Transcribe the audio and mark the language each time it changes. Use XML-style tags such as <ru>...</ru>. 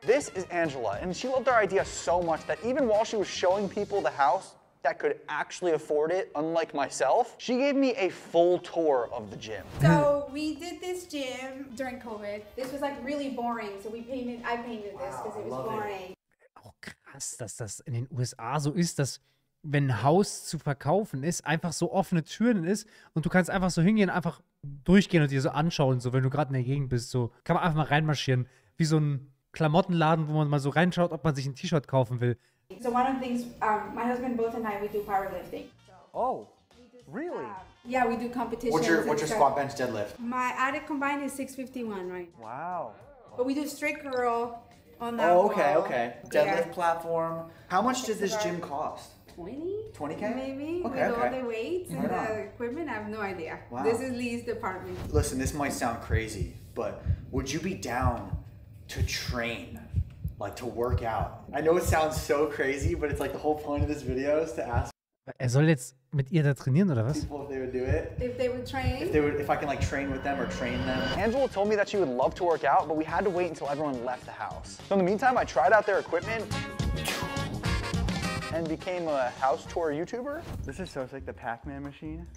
<en>This is Angela, and she loved our idea so much that even while she was showing people the house that could actually afford it, unlike myself, she gave me a full tour of the gym. So we did this gym during COVID. This was like really boring, so I painted this because it was boring.</en> <de>Oh krass, dass das in den USA so ist, dass wenn ein Haus zu verkaufen ist, einfach so offene Türen ist und du kannst einfach so hingehen, einfach durchgehen und dir so anschauen, so wenn du gerade in der Gegend bist, so kann man einfach mal reinmarschieren, wie so ein Klamottenladen, wo man mal so reinschaut, ob man sich ein T-Shirt kaufen will.</de> <en>So one of the things, my husband, both and I, we do powerlifting. Oh, really? Yeah, we do competitions. What's your squat, bench, deadlift? My added combined is 651 right now. Wow. But we do straight curl on that. Oh, okay, okay. Deadlift platform. How much does this gym cost? 20? 20K? Maybe, okay, with all the weights and the equipment, I have no idea. Wow. This is Lee's department. Listen, this might sound crazy, but would you be down to train? Like to work out. I know it sounds so crazy, but it's like the whole point of this video is to ask.</en> <de>Er soll jetzt mit ihr da trainieren oder was?</de> <en>People if they would do it. If they would train. If I can like train with them or train them. Angela told me that she would love to work out, but we had to wait until everyone left the house. So in the meantime, I tried out their equipment and became a house tour YouTuber. This is so sick, the Pac-Man machine.</en>